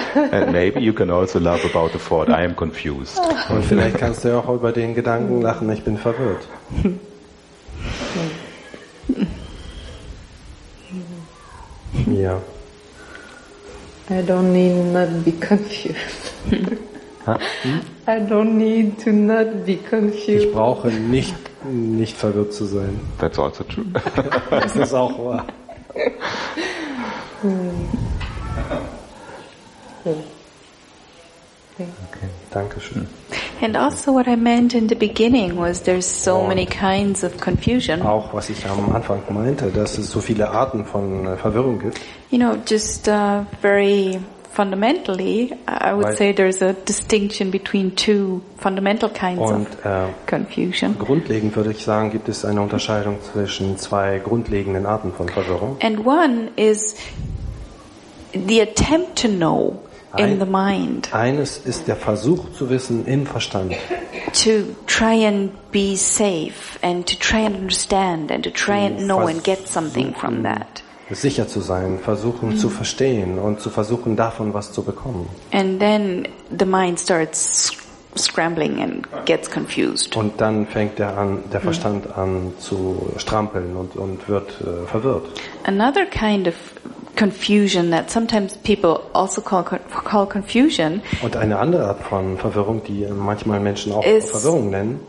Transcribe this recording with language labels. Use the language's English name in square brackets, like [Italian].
[English] And maybe you can also laugh about the thought, I am confused. [German] Und vielleicht kannst du ja auch über den Gedanken lachen, ich bin verwirrt. Ja. [English] I don't need not be confused. I don't need to not be confused. [German] Ich brauche nicht verwirrt zu sein. [English] That's also true. [German] Das ist auch wahr. Okay, danke schön. [English] And also what I meant in the beginning was there's so many kinds of confusion. [German] Auch was ich am Anfang meinte, dass es so viele Arten von Verwirrung gibt. [English] You know, just very fundamentally, I would say there's a distinction between two fundamental kinds of confusion. [German] Grundlegend würde ich sagen, gibt es eine Unterscheidung zwischen zwei grundlegenden Arten von Verwirrung. [English] And one is the attempt to know in the mind. [German] Eines ist der Versuch zu wissen im Verstand. [English] To try and be safe and to try and understand and to try and know and get something from that. [German] Sicher zu sein, versuchen zu verstehen und zu versuchen davon was zu bekommen. [English] And then the mind starts scrambling and gets confused. [German] Und dann fängt der Verstand an zu strampeln und wird verwirrt. [English] Another kind of confusion that sometimes people also call confusion. [German] Und eine andere Art von Verwirrung, die manchmal Menschen auch Verwirrung nennen.